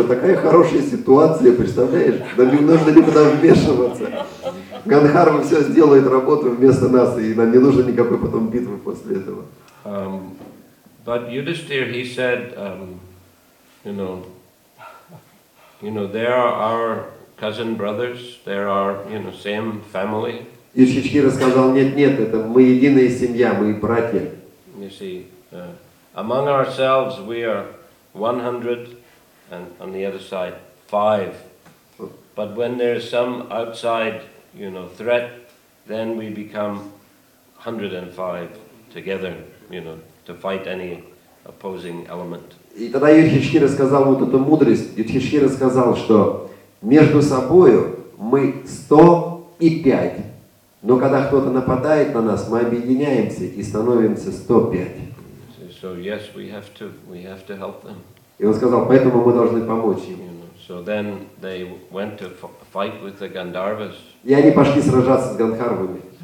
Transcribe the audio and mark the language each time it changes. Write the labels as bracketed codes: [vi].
[ru] Это такая хорошая ситуация, представляешь? Нам не нужно никуда вмешиваться. Гандхарвы все сделают работу вместо нас, и нам не нужно никакой потом битвы после этого. [en] But Yudhishthira, he said, there are our cousin brothers, there are, you know, same family. [ru] Юдхиштхира сказал, нет, это мы единая семья, мы братья. [en] You see, among ourselves we are 100, and on the other side, 5. But when there is some outside, you know, threat, then we become 105 together, you know, to fight any opposing element. [ru] И тогда Юдхиштхира сказал вот эту мудрость. Юдхиштхира сказал, что между собой мы 105, но когда кто-то нападает на нас, мы объединяемся и становимся 105. [en] So yes, we have to help them. [ru] И он сказал, поэтому мы должны помочь им. [en] So then they went to fight with the Gandharvas. [ru] И они пошли сражаться с Гандхарвами.